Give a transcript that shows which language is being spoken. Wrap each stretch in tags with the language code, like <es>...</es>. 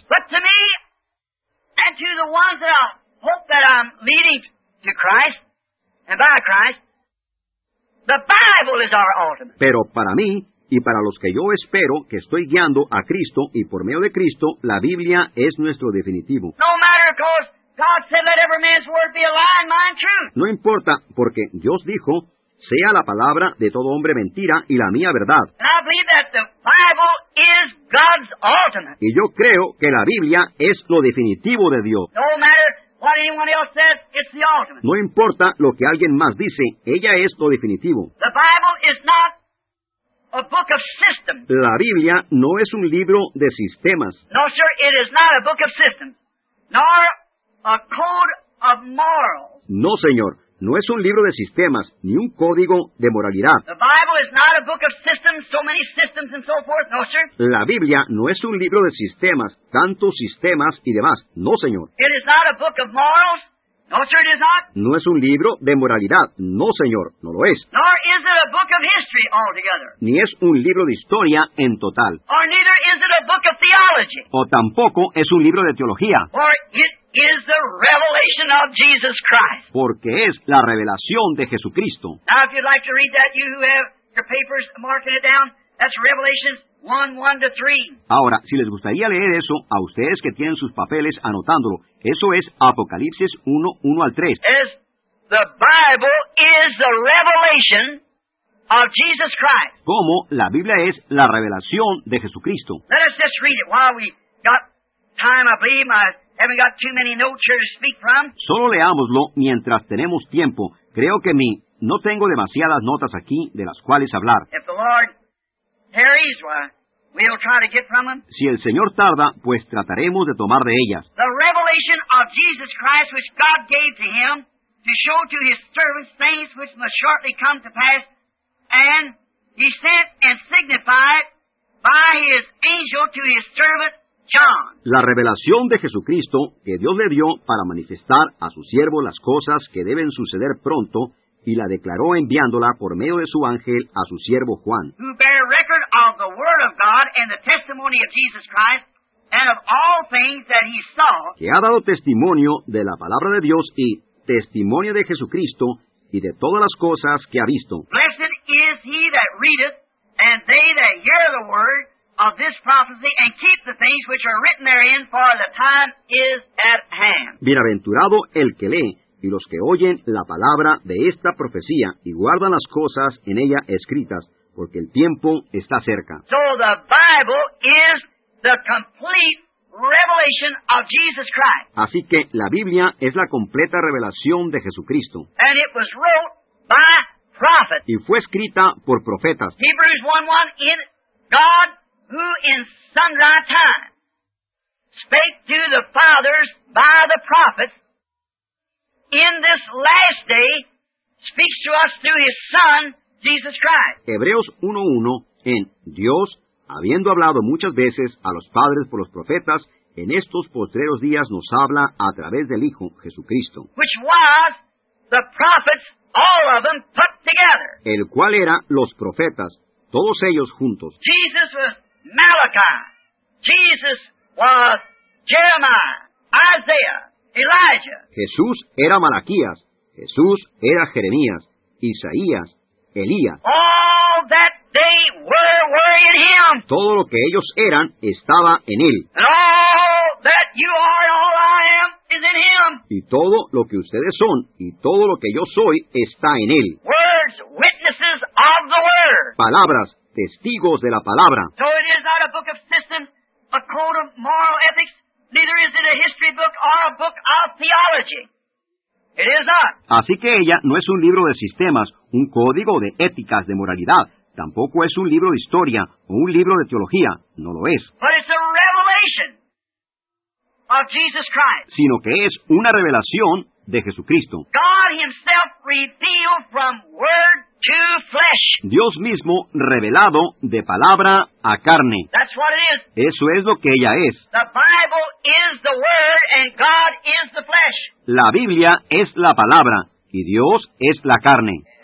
<en>But to me, and to the ones that I hope that I'm leading to Christ and by Christ, the Bible is our ultimate.</en> <es>Pero para mí, y para los que yo espero que estoy guiando a Cristo y por medio de Cristo, la Biblia es nuestro definitivo.</es> <en>No matter, of course, God said, let every man's word be a lie and mine truth.</en> <es>No importa, porque Dios dijo, sea la palabra de todo hombre mentira y la mía verdad.</es> <en>And I believe that the Bible is God's ultimate.</en> <es>Y yo creo que la Biblia es lo definitivo de Dios.</es> <en>No matter what anyone else says, it's the ultimate.</en> <es>No importa lo que alguien más dice, ella es lo definitivo.</es> <en>The Bible is not a book of systems.</en> <es>La Biblia no es un libro de sistemas.</es> <en>No, sir, it is not a book of systems. Nor a code of morals.</en> <es>No, señor, no es un libro de sistemas ni un código de moralidad.</es> <en>The Bible is not a book of systems, so many systems and so forth. No, sir.</en> <es>La Biblia no es un libro de sistemas, tantos sistemas y demás. No, señor.</es> <en>It is not a book of morals. No, sir, it is not.</en> <es>No es un libro de moralidad. No, señor, no lo es.</es> <en>Nor is it a book of history altogether.</en> <es>Ni es un libro de historia en total.</es> <en>Or neither is it a book of theology.</en> <es>O tampoco es un libro de teología.</es> <en>Or it is the revelation of Jesus Christ.</en> <es>Porque es la revelación de Jesucristo.</es> <en>Now, if you'd like to read that, you who have your papers marking it down, that's Revelation 1:1-3.</en> <es>Ahora, si les gustaría leer eso, a ustedes que tienen sus papeles anotándolo, eso es Apocalipsis 1:1-3.</es> <en>As the Bible is the revelation of Jesus Christ.</en> <es>Como la Biblia es la revelación de Jesucristo.</es> <en>Let us just read it while we got time, I believe. Haven't got too many notes here to speak from.</en> <es>Solo leámoslo mientras tenemos tiempo. Creo que no tengo demasiadas notas aquí de las cuales hablar.</es> <en>If the Lord tarries, we'll try to get from them.</en> <es>Si el Señor tarda, pues trataremos de tomar de ellas.</es> <en>The revelation of Jesus Christ which God gave to him to show to his servants things which must shortly come to pass, and he sent and signified by his angel to his servant</en> <es>la revelación de Jesucristo que Dios le dio para manifestar a su siervo las cosas que deben suceder pronto y la declaró enviándola por medio de su ángel a su siervo Juan.</es> <en>Who bear record of the word of God and the testimony of Jesus Christ and of all things that he saw.</en> <es>Que ha dado testimonio de la palabra de Dios y testimonio de Jesucristo y de todas las cosas que ha visto.</es> <en>Blessed is he that readeth and they that hear the word of this prophecy and keep the things which are written therein, for the time is at hand.</en> <es>Bienaventurado el que lee y los que oyen la palabra de esta profecía y guardan las cosas en ella escritas, porque el tiempo está cerca.</es> <en>So the Bible is the complete revelation of Jesus Christ.</en> <es>Así que la Biblia es la completa revelación de Jesucristo.</es> <en>And it was wrote by prophets.</en> <es>Y fue escrita por profetas.</es> <en>Hebrews 1:1 in God who in sundry time spake to the fathers by the prophets, in this last day speaks to us through his Son, Jesus Christ.</en> <es>Hebreos 1:1, en Dios, habiendo hablado muchas veces a los padres por los profetas, en estos postreros días nos habla a través del Hijo, Jesucristo.</es> <en>Which was the prophets, all of them put together.</en> <es>El cual era los profetas, todos ellos juntos.</es> <en>Jesus was Malachi, Jesus was Jeremiah, Isaiah, Elijah.</en> <es>Jesús era Malaquías, Jesús era Jeremías, Isaías, Elías.</es> <en>All that they were in him.</en> <es>Todo lo que ellos eran estaba en él.</es> <en>And all that you are and all I am is in him.</en> <es>Y todo lo que ustedes son y todo lo que yo soy está en él.</es> <en>Words, witnesses of the word.</en> <es>Palabras, testigos de la palabra.</es> <en>So it is not a book of systems, a code of moral ethics, neither is it a history book or a book of theology. It is not.</en> <es>Así que ella no es un libro de sistemas, un código de éticas, de moralidad. Tampoco es un libro de historia o un libro de teología. No lo es.</es> <en>But it's a revelation of Jesus Christ.</en> <es>Sino que es una revelación de Jesucristo.</es> <en>God himself revealed from word to flesh.</en> <es>Dios mismo revelado de palabra a carne.</es> <en>That's what it is.</en> <es>Eso es lo que ella es.</es> <en>The Bible is the word and God is the flesh.</en> <es>La Biblia es la palabra y Dios es la carne.</es>